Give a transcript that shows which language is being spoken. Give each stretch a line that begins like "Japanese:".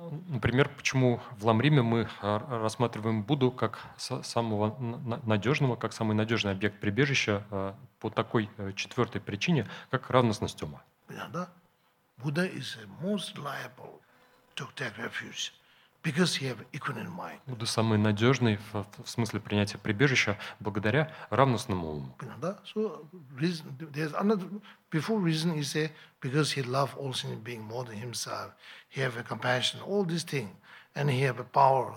Russian: Например, почему в Ламриме мы рассматриваем Будду как самого надежного, как самый надежный объект прибежища по такой четвертой причине, как равностность ума. Понятно, да?
English: Buddha is the most reliable to take refuge. Because he have equanimity in mind.
Russian: Будда самый надежный в смысле принятия прибежища благодаря равностному уму. Понятно, да?
English: So reason, there's another before reason is say because he love all sentient being more than himself, he have a compassion, all these things, and he have a power.